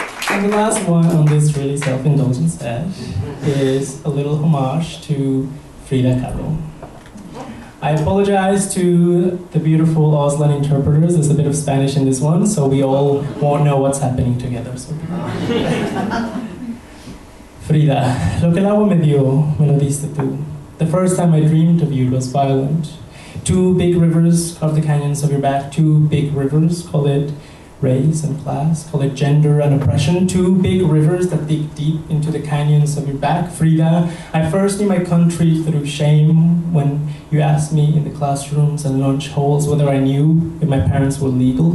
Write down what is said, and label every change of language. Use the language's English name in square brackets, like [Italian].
[English] And the last one on this really self-indulgent stash is a little homage to Frida Kahlo. I apologize to the beautiful Auslan interpreters. There's a bit of Spanish in this one, so we all won't know what's happening together. So. [Spanish] Frida, lo que el agua me dio, me lo diste tú. [English] The first time I dreamed of you was violent. Two big rivers carved the canyons of your back. Two big rivers, call it race and class, call it gender and oppression. Two big rivers that dig deep into the canyons of your back. Frida, I first knew my country through shame when you asked me in the classrooms and lunch halls whether I knew if my parents were legal.